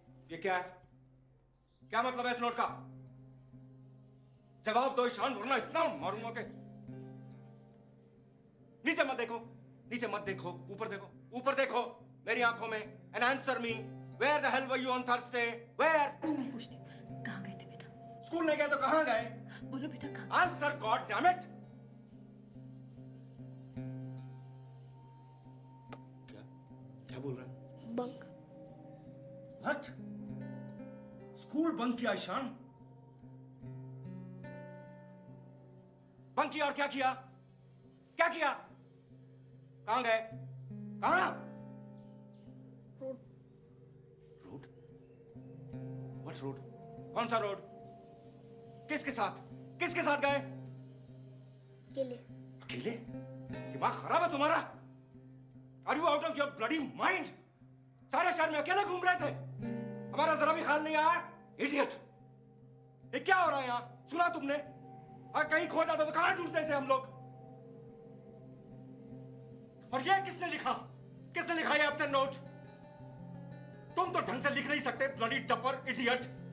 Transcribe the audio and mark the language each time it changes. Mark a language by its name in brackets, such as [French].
[Hindi] ये क्या है? क्या मतलब है इस नोट का? जवाब दो ईशान, वरना इतना मारूंगा के। नीचे मत देखो, नीचे मत देखो, ऊपर देखो, ऊपर देखो, मेरी आंखों में। [English] And answer me, where the hell were you on Thursday? Where? [Hindi] मैं पूछती हूँ, कहाँ गए थे बेटा? स्कूल नहीं गए तो कहाँ गए? बोलो बेटा कहाँ? [English] Answer, God damn it! [Hindi] क्या? क्या बोल रहा है? [English] Bunk. What? [Hindi] स्कूल बंक किया ईशान? बंक किया और क्या किया? क्या किया? कहाँ गए? कहाँ? रोड। [English] What road? [Hindi] कौन सा रोड? किसके साथ? किसके साथ गए? अकेले। अकेले? दिमाग खराब है तुम्हारा? [English] Are you out of your bloody mind? [Hindi] सारे शहर में अकेले घूम रहे थे, हमारा जरा भी ख्याल नहीं आया? [English] Idiot! [Hindi] ये क्या हो रहा है यहाँ? सुना तुमने? अगर कहीं खो जाता तो कहाँ ढूंढते इसे हम लोग? और ये किसने लिखा? किसने लिखा ये एब्सेंट नोट? तुम तो ढंग से लिख नहीं सकते, [English] Bloody duffer, idiot!